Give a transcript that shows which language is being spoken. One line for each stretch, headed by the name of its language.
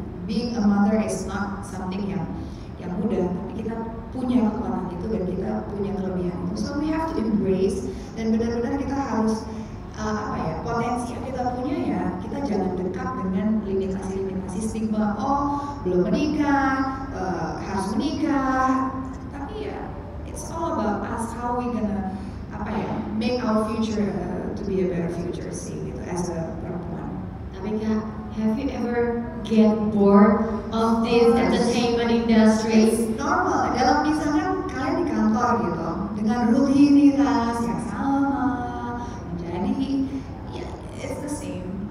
English: Being a mother is not something
Indonesian: yang mudah, tapi kita punya kekuatan itu dan kita punya kelebihan itu.
English: So we have to embrace
Indonesian: dan benar-benar kita harus apa ya, potensi yang kita punya ya, kita jangan dekat dengan limitasi-limitasi stigma. Oh, belum menikah, harus menikah.
English: It's all about us, how we gonna
Indonesian: apa ya,
English: make our future to be a better future
Indonesian: sih gitu
English: as a perempuan.
Indonesian: Tapi kak,
English: have you ever get bored of this entertainment industry?
Indonesian: Normal. Dalam misalnya kalian di kantor gitu dengan rutinitas yang sama, menjadi ya
English: it's the same.